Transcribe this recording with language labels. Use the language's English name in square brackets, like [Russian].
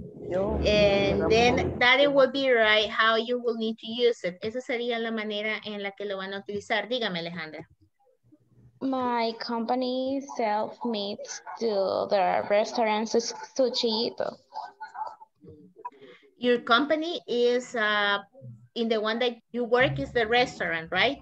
[English] And then that it would be right how you will need to use it. [Spanish] Esa sería la manera en la que lo van a utilizar. Dígame, Alejandra. [English] My company sells meat to the restaurant Suchito. Your company is in the one that you work is the restaurant, right?